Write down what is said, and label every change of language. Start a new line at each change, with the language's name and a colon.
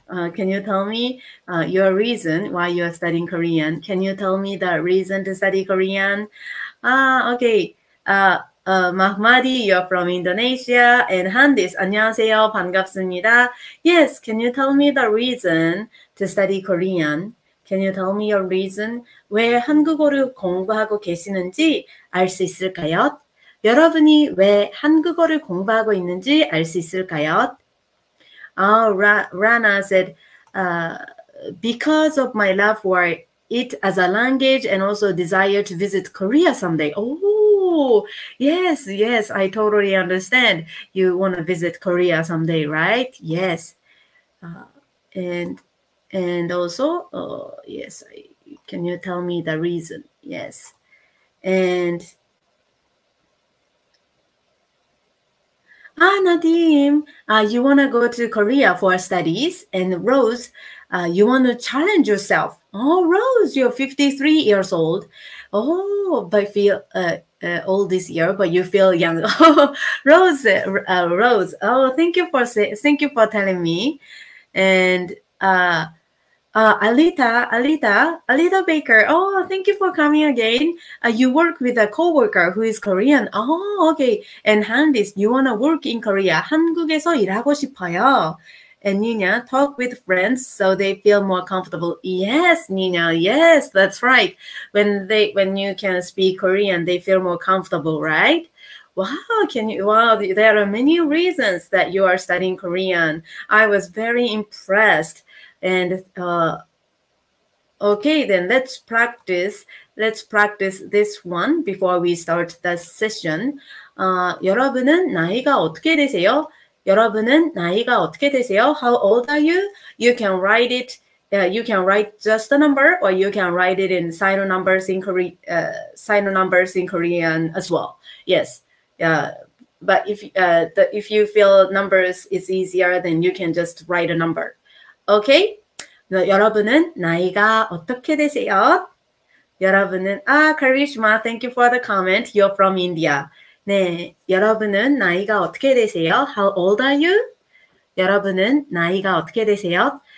English: Can you tell me your reason why you are studying Korean? Can you tell me the reason to study Korean? Okay. Mahmadi, you're from Indonesia. And Handis,
Korean: 안녕하세요, 반갑습니다.
English: Yes, can you tell me the reason to study Korean? Can you tell me your reason?
Korean: 왜 한국어를 공부하고 계시는지 알 수 있을까요? 여러분이 왜 한국어를 공부하고 있는지 알 수 있을까요?
English: Rana said, because of my love for it as a language and also desire to visit Korea someday. Oh, yes, yes, I totally understand. You want to visit Korea someday, right? Yes. And also, yes, can you tell me the reason? Yes. And... Ah, Nadim, you want to go to Korea for studies. And Rose, you want to challenge yourself. Oh, Rose, you're 53 years old. Oh, but feel old this year, but you feel young. Rose. Oh, thank you for telling me. And Alita Baker. Oh, thank you for coming again. You work with a coworker who is Korean. Oh, okay. And Handis, you wanna work in Korea?
Korean: 한국에서 일하고 싶어요.
English: And Nina, talk with friends so they feel more comfortable. Yes, Nina. Yes, that's right. When you can speak Korean, they feel more comfortable, right? Wow, there are many reasons that you are studying Korean. I was very impressed. And okay, then let's practice this one before we start the session.
Korean: 여러분은 나이가 어떻게 되세요? 여러분은 나이가 어떻게 되세요?
English: How old are you? You can write it. You can write just a number, or you can write it in sign numbers in Korean as well. Yes. But if you feel numbers is easier, then you can just write a number. Okay.
Korean: 여러분은 나이가 어떻게 되세요?
English: 여러분은 Karishma, thank you for the comment. You're from India.
Korean: 네, 여러분은 나이가 어떻게 되세요?
English: How old are you?
Korean: 여러분은 나이가 어떻게 되세요?